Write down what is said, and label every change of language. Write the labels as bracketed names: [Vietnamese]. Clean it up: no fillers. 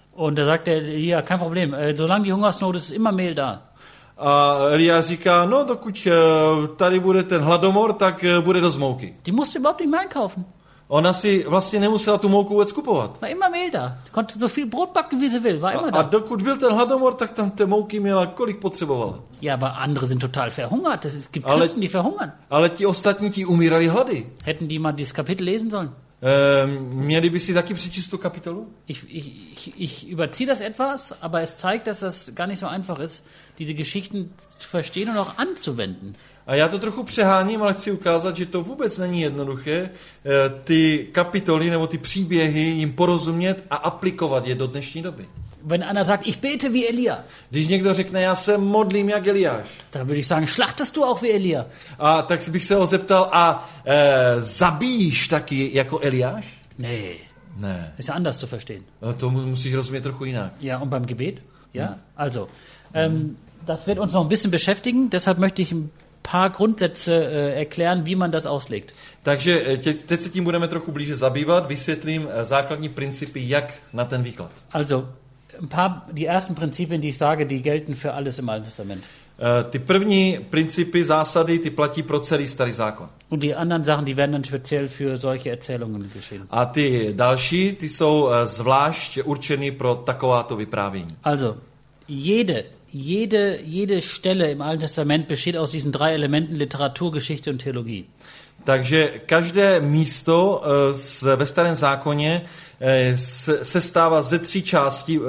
[German] Und da sagt er, ja, kein Problem, solange die Hungersnot ist immer Mehl da. [Czech] A Elia říká, no dokud tady bude ten hladomor, tak bude dost mouky. [German] Die musste überhaupt nicht mehr kaufen. [Czech] Ona si vlastně nemusela tu mouku vůbec kupovat. [German] War immer Mehl da. Konnte so viel Brot backen, wie sie will. War immer da. [Czech] A dokud byl ten hladomor, tak tam té mouky měla, kolik potřebovala. [German] Ja, aber andere sind total verhungert. Es gibt Christen, die verhungern. [Czech] Ale ti ostatní, ti umírali hlady. [German] Hätten die mal dieses Kapitel lesen sollen. [Czech] Měli by si taky přečíst tu kapitolu? [German] Ich überziehe das etwas, aber es zeigt, dass das gar nicht so einfach ist, diese Geschichten zu verstehen und auch anzuwenden. [Czech] A já to trochu přeháním, ale chci ukázat, že to vůbec není jednoduché, ty kapitoly nebo ty příběhy jim porozumět a aplikovat je do dnešní doby. [German] Wenn einer sagt, ich bete wie Elia. [Czech] Když někdo řekne, já se modlím jak Eliáš. [German] Dann würde ich sagen, schlachtest du auch wie Elia? [Czech] A tak bych se ho zeptal, a zabíjíš taky jako Eliáš? [German] Nee. Nee. Ist ja anders zu verstehen. [Czech] To musíš rozumět trochu jinak. [German] Ja, und beim Gebet? Ja, also. Das wird uns noch ein bisschen beschäftigen, deshalb möchte ich paar Grundsätze erklären, wie man das auslegt. [Czech] Takže teď se tím budeme trochu blíže zabývat, vysvětlím základní principy, jak na ten výklad. [German] Also, die ersten Prinzipien, die ich sage, die gelten für alles im Alten Testament. [Czech] Ty první principy, zásady, ty platí pro celý Starý zákon. [German] Und die anderen Sachen, die werden dann speziell für solche Erzählungen geschehen. [Czech] A ty další, ty jsou zvlášť určeny pro takováto vyprávění. [German] Also, jede Stelle im Alten Testament besteht aus diesen drei Elementen Literatur, Geschichte und Theologie. [Czech] Takže každé místo ve Starém zákoně sestává ze tří části.